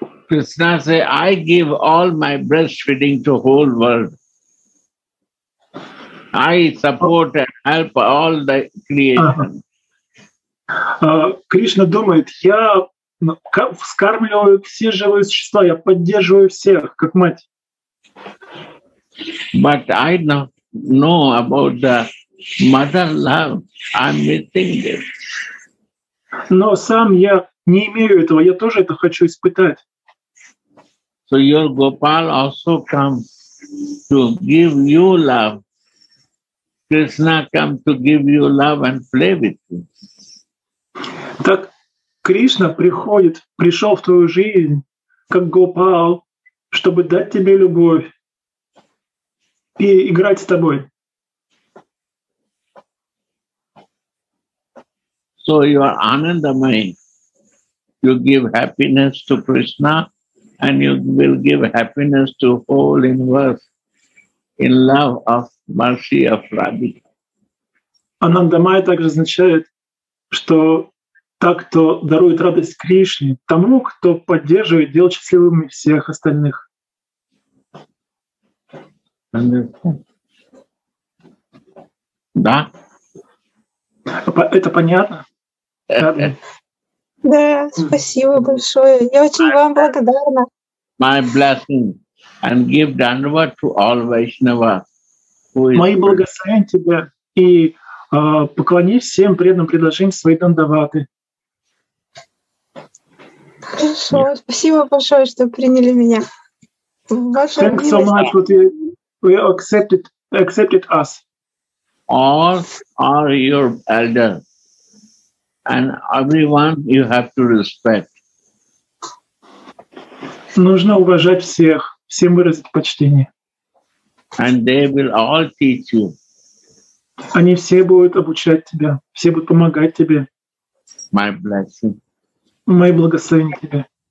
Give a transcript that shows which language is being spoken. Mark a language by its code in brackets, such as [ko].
[en] Krishna says, I give all my breastfeeding to whole world. I support and help all the creation. [ru] Кришна думает, я вскармливаю все живые существа, я поддерживаю всех, как мать. [en] But I don't know about the mother love. I'm missing this. [ru] Но сам я не имею этого, я тоже это хочу испытать. [en] So your Gopal also comes to give you love. Krishna come to give you love and play with you. [ru] Так Кришна приходит, пришел в твою жизнь, как Гопал, чтобы дать тебе любовь и играть с тобой. [en] So you are Anandamai. You give happiness to Krishna and you will give happiness to whole universe in love of mercy of Radhika. [ru] Анандамай также означает, что так, кто дарует радость Кришне, тому, кто поддерживает, делает счастливыми всех остальных. Да? Это понятно? Да, спасибо большое. Я очень вам благодарна. [en] My blessing. And give Dandava to all Vaishnava. [ru] Мои благословения тебе и поклонись всем преданным предложениям своей дандаваты. Хорошо, [en] yeah. [ru] Спасибо большое, что приняли меня. Ваша [en] Thank you so much that you accepted us. All are your elders, and everyone you have to respect. [ru] Нужно уважать всех, всем выразить почтение. [en] And they will all teach you. [ru] Они все будут обучать тебя, все будут помогать тебе. [en] My blessing. [ru] Мои благословения тебе.